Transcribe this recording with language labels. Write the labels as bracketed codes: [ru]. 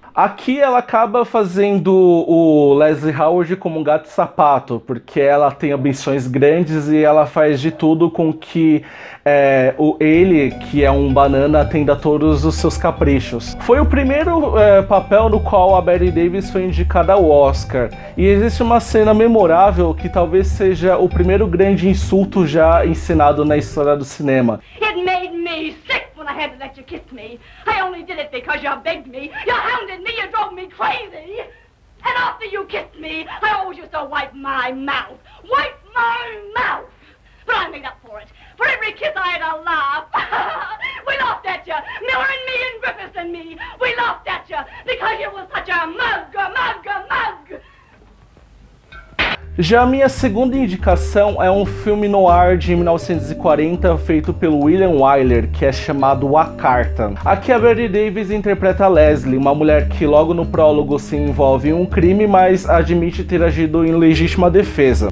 [pt] Aqui ela acaba fazendo o Leslie Howard como um gato de sapato, porque ela tem ambições grandes e ela faz de tudo com que ele, que é um banana, atenda todos os seus caprichos. Foi o primeiro papel no qual a Bette Davis foi indicada ao Oscar, e existe uma cena memorável que talvez seja o primeiro grande insulto já encenado na história do cinema. [en] It made me sick when I had to let you kiss me. I only did it because you begged me. You hounded me, you drove me crazy. And after you kissed me, I always used to wipe my mouth. Wipe my mouth! But I made up for it. For every kiss I had, a laugh. We laughed at you. Miller and me and Griffiths and me. We laughed at you because you were such a mug, a mug, a mug. [pt] Já a minha segunda indicação é um filme noir de 1940 feito pelo William Wyler, que é chamado A Carta. Aqui a Bette Davis interpreta a Leslie, uma mulher que logo no prólogo se envolve em um crime, mas admite ter agido em legítima defesa.